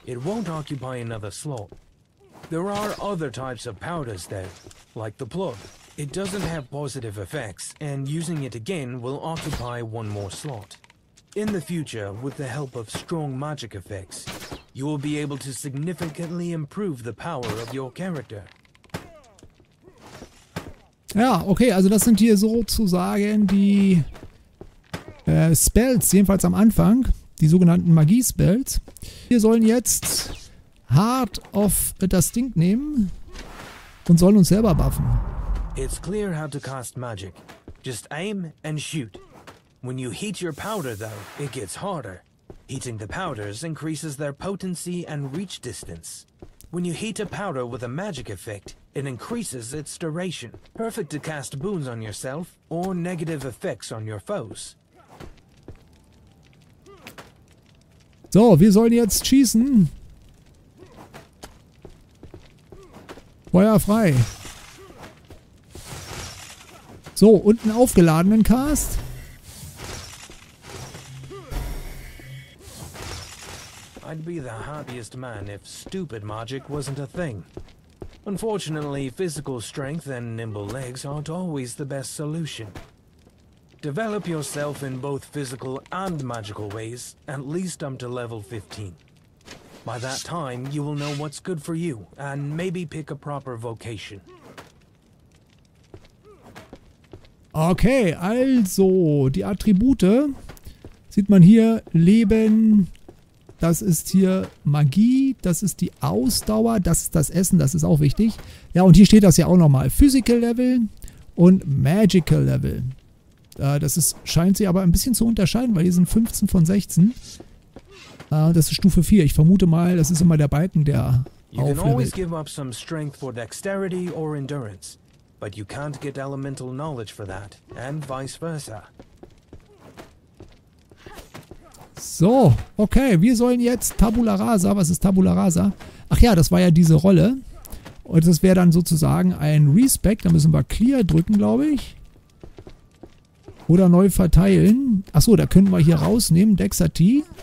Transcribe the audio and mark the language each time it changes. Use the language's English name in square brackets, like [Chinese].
[English] It won't occupy another slot. There are other types of powders though, like the plug. It doesn't have positive effects, and using it again will occupy one more slot. In the future, with the help of strong magic effects, you will be able to significantly improve the power of your character. [German] Ja, okay, also das sind hier sozusagen die Spells, jedenfalls am Anfang, die sogenannten Magie-Spells. Wir sollen jetzt Heart of das Ding nehmen und sollen uns selber buffen. [English] It's clear how to cast magic. Just aim and shoot. When you heat your powder though, it gets harder. Heating the powders increases their potency and reach distance. When you heat a powder with a magic effect, it increases its duration. Perfect to cast boons on yourself or negative effects on your foes. [German] So, wir sollen jetzt schießen. Feuer frei. So, und einen aufgeladenen Cast. [English] I'd be the happiest man if stupid magic wasn't a thing. Unfortunately, physical strength and nimble legs aren't always the best solution. Develop yourself in both physical and magical ways, at least up to level 15. By that time, you will know what's good for you, and maybe pick a proper vocation. [German] Okay, also, die Attribute, sieht man hier, Leben, das ist hier Magie, das ist die Ausdauer, das ist das Essen, das ist auch wichtig. Ja, und hier steht das ja auch nochmal, Physical Level und Magical Level. Das ist, scheint sich aber ein bisschen zu unterscheiden, weil hier sind 15 von 16. Das ist Stufe 4. Ich vermute mal, das ist immer der Balken, der auflevelt. [English] You can always give up some strength for dexterity or endurance, but you can't get elemental knowledge for that, and vice versa. [German] So, okay, wir sollen jetzt Tabula Rasa, was ist Tabula Rasa? Ach ja, das war ja diese Rolle. Und das wäre dann sozusagen ein Respect, da müssen wir Clear drücken, glaube ich. Oder neu verteilen. Achso, da können wir hier rausnehmen, Dexati.